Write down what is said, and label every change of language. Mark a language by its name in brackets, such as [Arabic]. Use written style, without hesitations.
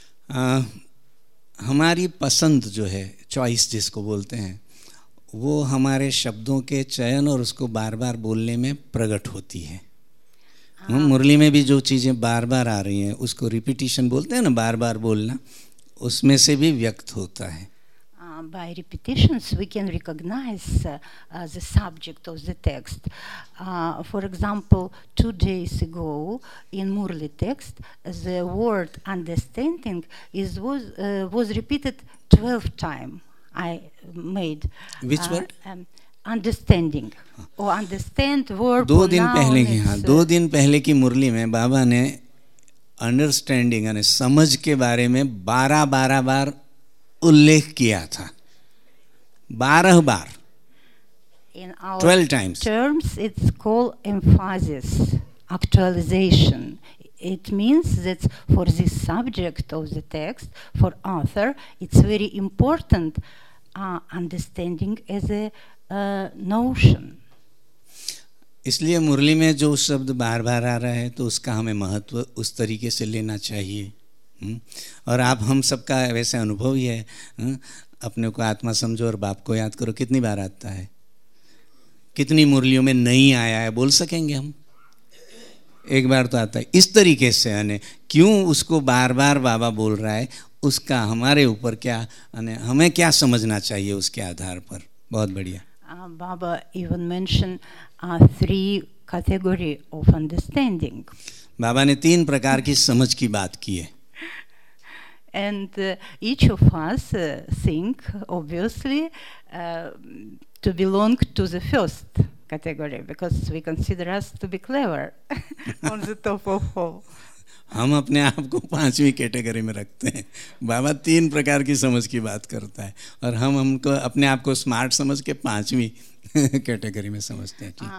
[Hindi] हमारी पसंद जो है, choice जिसको बोलते हैं, वो हमारे शब्दों के चयन और उसको बार बार बोलने में प्रकट होती है. मुरली में भी जो चीज़ें बार बार आ रही हैं उसको repetition बोलते हैं ना, बार बार बोलना, उसमें से भी व्यक्त होता है. [English] By repetitions we can recognize the subject of the text. For example, 2 days ago in Murli text the word understanding was repeated 12 times. I made which word? Understanding. Oh, understand word. [Hindi] दो दिन पहले की, हाँ, दो दिन पहले की मुरली में बाबा ने अंडरस्टैंडिंग यानी समझ के बारे में 12 बार उल्लेख किया था. 12 बार. [English] In our 12 times. Terms, it's called emphasis, actualization. It means that for this subject of the text, for author, it's very important understanding as a notion. [Hindi] इसलिए मुरली में जो शब्द बार बार आ रहा है तो उसका हमें महत्व उस तरीके से लेना चाहिए. और आप, हम सबका वैसे अनुभव ही है, अपने को आत्मा समझो और बाप को याद करो, कितनी बार आता है, कितनी मुरलियों में नहीं आया है बोल सकेंगे हम? एक बार तो आता है. इस तरीके से यानी क्यों उसको बार बार बाबा बोल रहा है, उसका हमारे ऊपर क्या, यानी हमें क्या समझना चाहिए उसके आधार पर. बहुत बढ़िया. [English] बाबा even mention three category of understanding. [Hindi] बाबा ने तीन प्रकार की समझ की बात की है. [English] And each of us think, obviously, to belong to the first category because we consider us to be clever on the top of all. [Hindi] हम अपने आप को पांचवी कैटेगरी में रखते हैं. बाबा तीन प्रकार की समझ की बात करता है और हमको अपने आप को स्मार्ट समझ के पांचवी कैटेगरी में समझते हैं.